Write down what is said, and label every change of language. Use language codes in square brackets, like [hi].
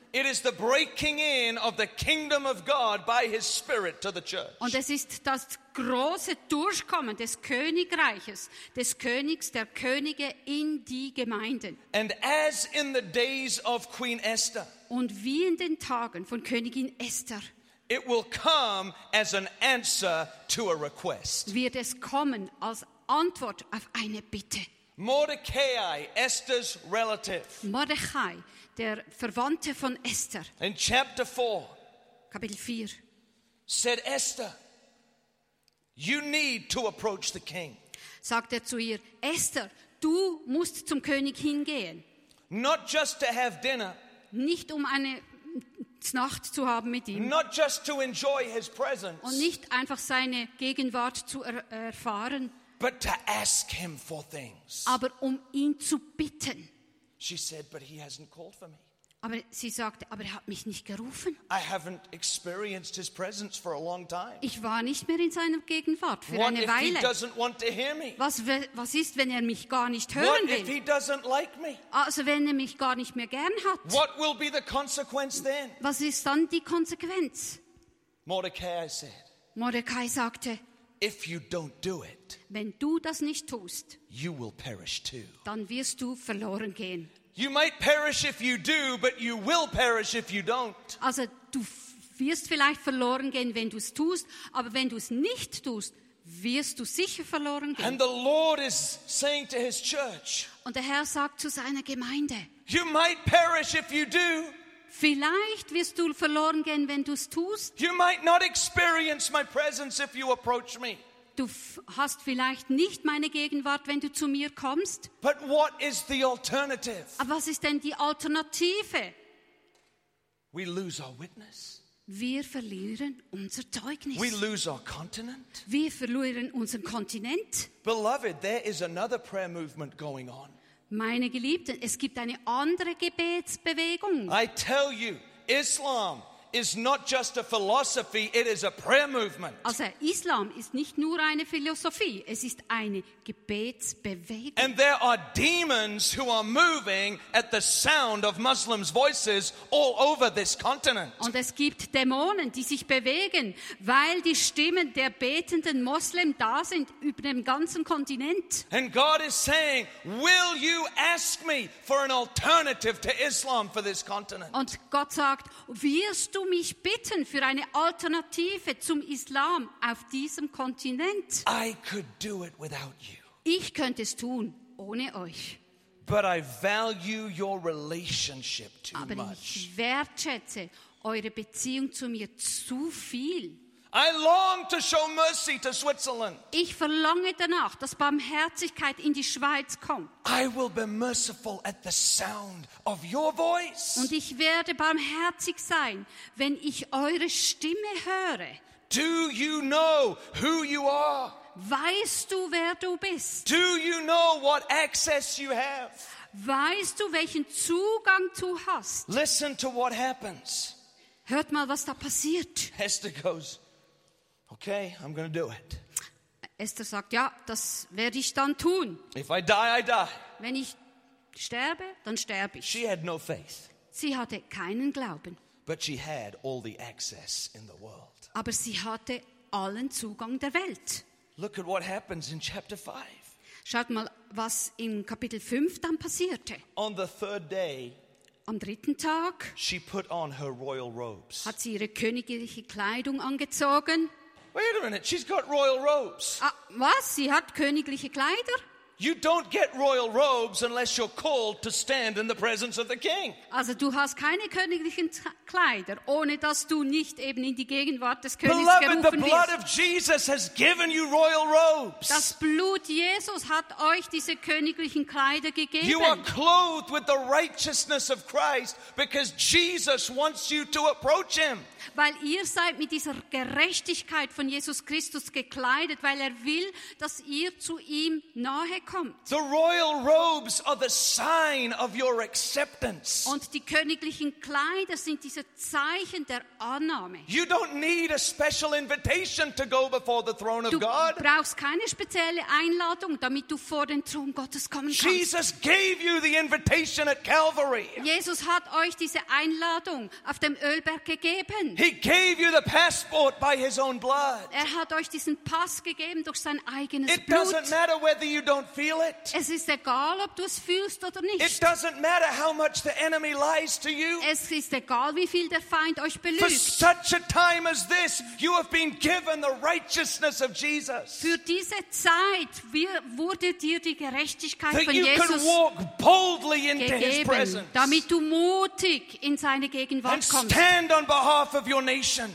[en] It is the breaking in of the kingdom of God by his spirit to the church. [de] Und es ist das große Durchkommen des Königreiches, des Königs, der Könige in die Gemeinden. [en] And as in the days of Queen Esther. [de] Und wie in den Tagen von Königin Esther. [en] It will come as an answer to a request. [de] Wird es kommen als Antwort auf eine Bitte. [en] Mordecai, Esther's relative. [de] Mordecai, der Verwandte von Esther. [en] In chapter 4. [de] Kapitel 4. [en] Said Esther, you need to approach the king. [de] Sagt zu ihr, Esther, du musst zum König hingehen. [en] Not just to have dinner. [de] Nicht eine Nacht zu haben mit ihm. [en] Not just to enjoy his presence. [de] Und nicht einfach seine Gegenwart zu erfahren. [en] But to ask him for things. [de] Aber ihn zu bitten. [en] She said, but he hasn't called for me. [de] Aber sie sagte, aber hat mich nicht gerufen. [en] I haven't experienced his presence for a long time. [de] Ich war nicht mehr in seiner Gegenwart für [en] what [de] eine Weile. [en] What if he doesn't want to hear me? [de] Was ist, wenn mich gar nicht hören [en] what [de] will? [en] What if he doesn't like me? [de] Also wenn mich gar nicht mehr gern hat. [en] What will be the consequence then? [de] Was ist dann die Konsequenz? [en] Mordecai said. [de] Mordecai sagte, [en] if you don't do it, [de] wenn du das nicht tust, [en] you will perish too. [de] Dann wirst du verloren gehen. [en] You might perish if you do, but you will perish if you don't. [de] Also, du wirst vielleicht verloren gehen, wenn du es tust, aber wenn du es nicht tust, wirst du sicher verloren gehen. [en] And the Lord is saying to his church, [de] und der Herr sagt zu seiner Gemeinde, [en] you might perish if you do. [de] Vielleicht wirst du verloren gehen, wenn du es tust. [en] You might not experience my presence if you approach me. [de] Du hast vielleicht nicht meine Gegenwart, wenn du zu mir kommst. [en] But what is the alternative? [de] Aber was ist denn die Alternative? [en] We lose our witness. [de] Wir verlieren unser Zeugnis. [en] We lose our continent. [de] Wir verlieren unseren Kontinent. [en] Beloved, there is another prayer movement going on. [de] Meine Geliebten, es gibt eine andere Gebetsbewegung. [en] I tell you, Islam is not just a philosophy, it is a prayer movement. [de] Also Islam ist nicht nur eine Philosophie, es ist eine Gebetsbewegung. [en] And there are demons who are moving at the sound of Muslims' voices all over this continent. [de] Und es gibt Dämonen, die sich bewegen, weil die Stimmen der betenden Muslim da sind über dem ganzen Kontinent. [en] And God is saying, will you ask me for an alternative to Islam for this continent? [de] Und Gott sagt, wirst du mich bitten für eine Alternative zum Islam auf diesem Kontinent? [en] I could do it without you. [de] Ich könnte es tun ohne euch. [en] But I value your relationship too [de] aber [en] much. [de] Ich wertschätze eure Beziehung zu mir zu viel. [en] I long to show mercy to Switzerland. [de] Ich verlange danach, dass Barmherzigkeit in die Schweiz kommt. [en] I will be merciful at the sound of your voice. [de] Und ich werde barmherzig sein, wenn ich eure Stimme höre. [en] Do you know who you are? [de] Weißt du, wer du bist? [en] Do you know what access you have? [de] Weißt du, welchen Zugang du hast? [en] Listen to what happens. [de] Hört mal, was da passiert. [en] Esther goes, Okay, I'm going to do it. [de] Esther sagt, ja, das werde ich dann tun. [en] If I die, I die. [de] Wenn ich sterbe, dann sterbe ich. [en] She had no faith. [de] Sie hatte keinen Glauben. [en] But she had all the access in the world. [de] Aber sie hatte allen Zugang der Welt. [en] Look at what happens in chapter 5. [de] Schaut mal, was in Kapitel 5 dann passierte. [en] On the third day, [de] am dritten Tag, [en] she put on her royal robes. [de] Hat sie ihre königliche Kleidung angezogen. [en] Wait a minute, she's got royal robes. [de] Was? Sie hat königliche Kleider? [en] You don't get royal robes unless you're called to stand in the presence of the king. [de] Also du hast keine königlichen Kleider, ohne dass du nicht eben in die Gegenwart des Königs gerufen wirst. [en] Beloved, the blood of Jesus has given you royal robes. [de] Das Blut Jesus hat euch diese königlichen Kleider gegeben. [en] You are clothed with the righteousness of Christ because Jesus wants you to approach him. [de] Weil ihr seid mit dieser Gerechtigkeit von Jesus Christus gekleidet, weil er will, dass ihr zu ihm nahe kommt. [en] The royal robes are the sign of your acceptance. [de] Und die königlichen Kleider sind diese Zeichen der Annahme. [en] You don't need a special invitation to go before the throne of God. [de] Du brauchst keine spezielle Einladung, damit du vor den Thron Gottes kommen kannst. [en] Jesus gave you the invitation at Calvary. [de] Jesus hat euch diese Einladung auf dem Ölberg gegeben. [en] He gave you the passport by his own blood. [de] Er hat euch diesen Pass gegeben durch sein eigenes [en] it [de] Blut. [en] It doesn't matter whether you don't feel it. [de] Es ist egal, ob du es fühlst oder nicht. [en] It doesn't matter how much the enemy lies to you. [de] Es ist egal, wie viel der Feind euch belügt. [en] For such a time as this, you have been given the righteousness of Jesus. [de] Für diese Zeit wurde dir die Gerechtigkeit [en] that [de] von [en] you [de] Jesus [en] can walk boldly into [de] gegeben, [en] his presence. [de] Damit du mutig in seine Gegenwart [en] and [de] kommst. [en] Stand on behalf of your nation.